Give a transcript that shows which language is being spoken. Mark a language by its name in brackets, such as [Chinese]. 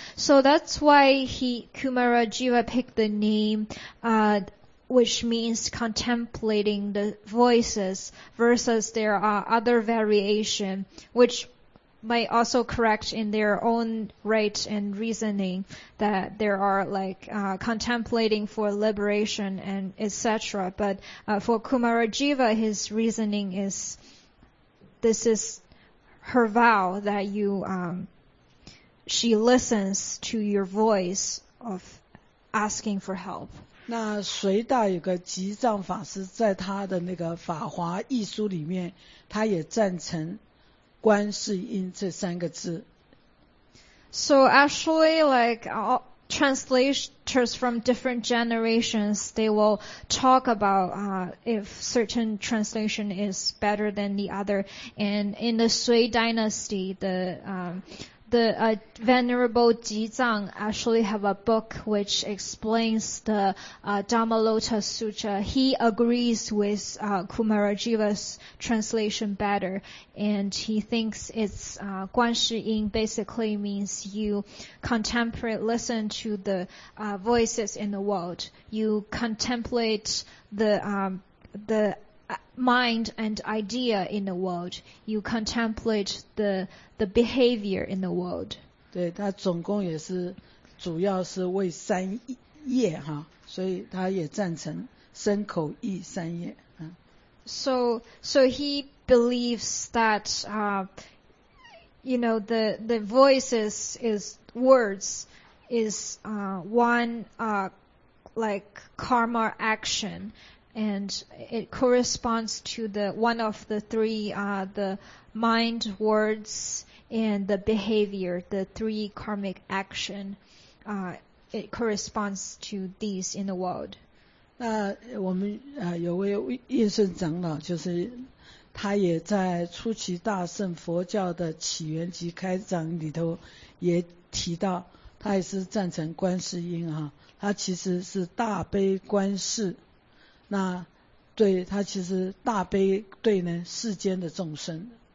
[English] So that's why Kumarajiva picked the name, which means contemplating the voices, versus there are other variation, which might also correct in their own right and reasoning that there are like contemplating for liberation and etc. But for Kumarajiva, his reasoning is this is her vow that you, she listens to your voice of asking for help. [Chinese] 那随大有个吉藏法师在他的那个法华译书里面，他也赞成观世音这三个字。 [English] So actually, like all translators from different generations, they will talk about if certain translation is better than the other. And in the Sui Dynasty, the Venerable Jizang actually have a book which explains the Dhamma Lotus Sutra. He agrees with Kumarajiva's translation better, and he thinks it's 观世音 basically means you contemplate, listen to the voices in the world. You contemplate the mind and idea in the world. You contemplate the behavior in the world. [Chinese] 对，他总共也是主要是为三业哈，所以他也赞成身口意三业。嗯。 [English] So he believes that you know the voices is words is one like karma action. And it corresponds to the one of the three, the mind, words, and the behavior, the three karmic action. It corresponds to these in the world. [Chinese] 那我们有位印顺长老，就是他也在初期大乘佛教的起源及开展里头也提到，他也是赞成观世音啊，他其实是大悲观世，那对他其实大悲对呢世间的众生。